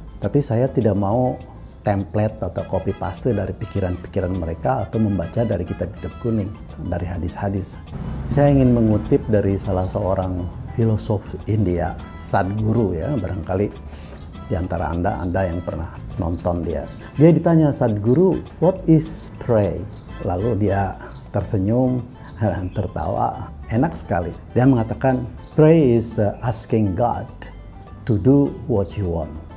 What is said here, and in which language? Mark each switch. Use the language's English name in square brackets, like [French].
[Indonesian] Tapi saya tidak mau template atau copy paste dari pikiran-pikiran mereka atau membaca dari kitab-kitab kuning, dari hadis-hadis. Saya ingin mengutip dari salah seorang filosof India, Sadhguru ya, barangkali di antara Anda yang pernah nonton dia. Dia ditanya, Sadhguru, [English] what is pray? [Indonesian] Lalu dia tersenyum dan tertawa. Enak sekali. Dia mengatakan, [English] pray is asking God to do what you want.